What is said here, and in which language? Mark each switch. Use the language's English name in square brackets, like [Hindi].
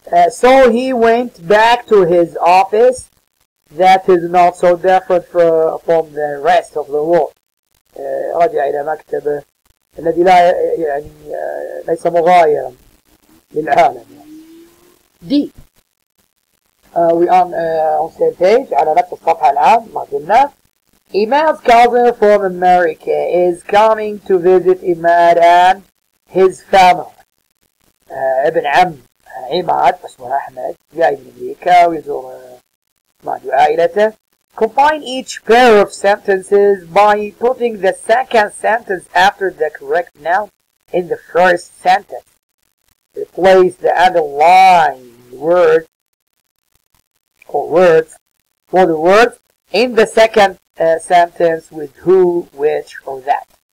[English] So he went back to his office that is not so different from the rest of the world. [Arabic] رجع إلى مكتبه الذي لا يعني ليس مغايرا للعالم. [English] D. We are on same page [Arabic] على نفس الصفحة الآن ما قلنا. [English] Imad's cousin from America is coming to visit Imad and his family. [Arabic] ابن عم عماد اسمه أحمد جاي من أمريكا ويزور إمادي وعائلته. [English] Combine each pair of sentences by putting the second sentence after the correct noun in the first sentence. Replace the underlying word or words for the words in the second sentence with who, which, or that.